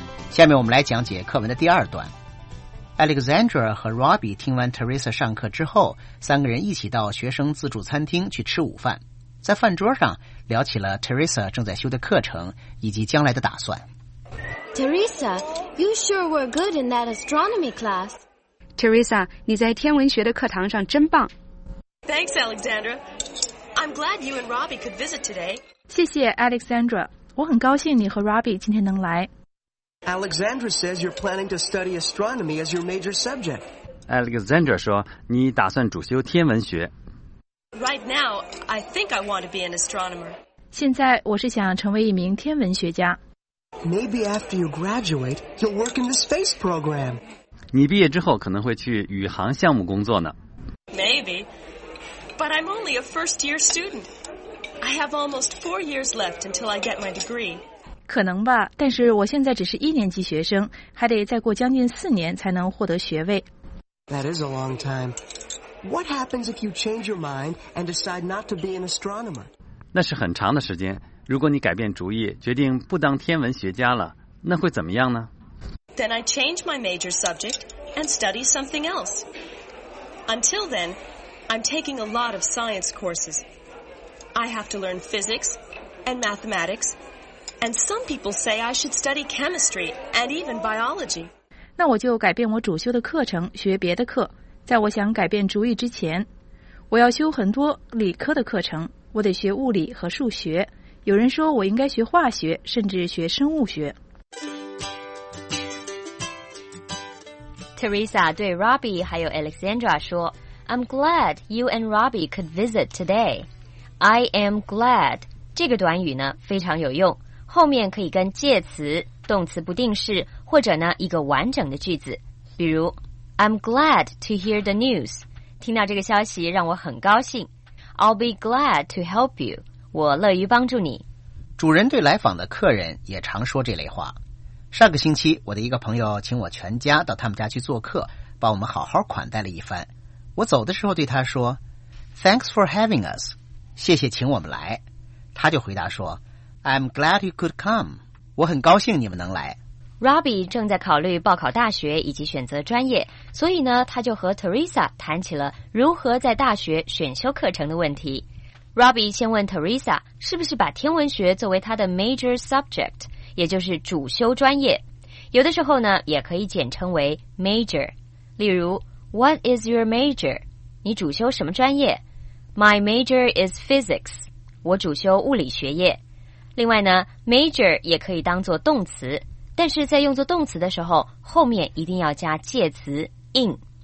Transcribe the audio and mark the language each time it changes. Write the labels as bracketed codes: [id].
[zh] 下面我们来讲解课文的第二段。Alexandra 和 Robbie 听完 Teresa 上课之后，三个人一起到学生自助餐厅去吃午饭，在饭桌上聊起了 Teresa 正在修的课程以及将来的打算。 [en] Teresa, you sure were good in that astronomy class. [zh] Teresa, 你在天文学的课堂上真棒。 [en] Thanks, Alexandra. I'm glad you and Robbie could visit today. [zh] 谢谢 Alexandra, 我很高兴你和 Robbie 今天能来。 [en] Alexandra says you're planning to study astronomy as your major subject. [zh] Alexandra 说你打算主修天文学。 [en] Right now, I think I want to be an astronomer. [zh] 现在我是想成为一名天文学家。 [en] Maybe after you graduate, you'll work in the space program. [zh] 你毕业之后可能会去宇航项目工作呢。 [en] Maybe, but I'm only a first year student. I have almost 4 years left until I get my degree. [zh] 可能吧，但是我现在只是一年级学生，还得再过将近4年才能获得学位。 [en] That is a long time. What happens if you change your mind and decide not to be an astronomer? [zh] 那是很长的时间。如果你改变主意，决定不当天文学家了，那会怎么样呢？ [en] Then I change my major subject and study something else. Until then, I'm taking a lot of science courses. I have to learn physics and mathematics. And some people say I should study chemistry and even biology. [zh] 那我就改变我主修的课程，学别的课。在我想改变主意之前，我要修很多理科的课程，我得学物理和数学。有人说我应该学化学，甚至学生物学。 Teresa 对 Robbie 还有 Alexandra 说 [en] I'm glad you and Robbie could visit today. I am glad. [zh] 这个短语呢，非常有用。后面可以跟介词、动词不定式，或者呢一个完整的句子，比如 [en] I'm glad to hear the news. [zh] 听到这个消息让我很高兴。 [en] I'll be glad to help you. [zh] 我乐于帮助你。主人对来访的客人也常说这类话。上个星期，我的一个朋友请我全家到他们家去做客，把我们好好款待了一番。我走的时候对他说 [en] Thanks for having us. [zh] 谢谢请我们来。他就回答说 [en] I'm glad you could come. [zh] 我很高兴你们能来。 Robbie 正在考虑报考大学以及选择专业，所以呢，他就和 Teresa 谈起了如何在大学选修课程的问题。 Robbie 先问 Teresa 是不是把天文学作为他的 major subject， 也就是主修专业。有的时候呢，也可以简称为 major。例如 [en] ，What is your major？ [zh] 你主修什么专业 [en] ？My major is physics. [zh] 我主修物理学业。另外呢 ，major 也可以当作动词，但是在用作动词的时候，后面一定要加介词 in。